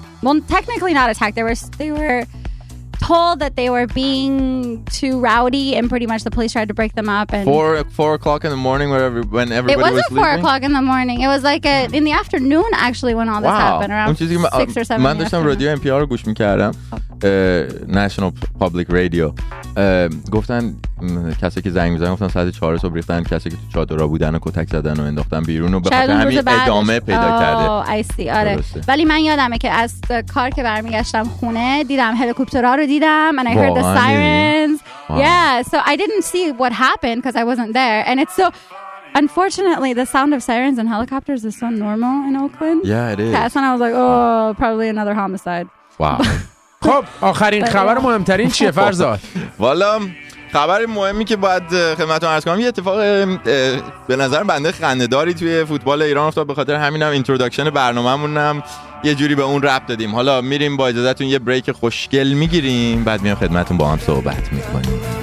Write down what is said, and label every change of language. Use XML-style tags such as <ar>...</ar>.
<en>Well, technically not attacked. They were told that they were being too rowdy, and pretty much the police tried to break them up. And 4 o'clock in the morning, when everybody was sleeping. It wasn't 4 o'clock in the morning. It was like in the afternoon actually when all this happened, around 6 or 7.</en> <fa>من داشتم رادیو NPR رو گوش میکردم.</fa> <en>National Public Radio.</en> <fa>گفتن کسی که زنگ میزنن گفتن ساعت 4 صبح ریختن کسی که تو چادرها بودن و کتک زدن و انداختن بیرون و به خاطر همین ادامه پیدا کرده.</fa> <en>I see.</en> <fa>آره. ولی من یادمه که از کار که برمیگشتم خونه دیدم هلیکوپترها رو دیدم</fa> <en>and I heard the sirens. Yeah, so I didn't see what happened because I wasn't there and it's so unfortunately the sound of sirens and helicopters is so normal in Oakland. Yeah, it is. That's when I was like, "Oh, probably another homicide." Wow.</en> <fa>خب آخرین خبر مهمترین چیه فرزاد؟ والا خبر مهمی که باید خدمتتون عرض کنم یه اتفاق به نظر بنده خنده‌داری توی فوتبال ایران افتاد، به خاطر همینم اینتروداکشن برنامه‌مون هم یه جوری به اون ربط دادیم. حالا میریم با اجازهتون یه بریک خوشگل میگیریم، بعد میام خدمتتون با هم صحبت میکنیم.</fa>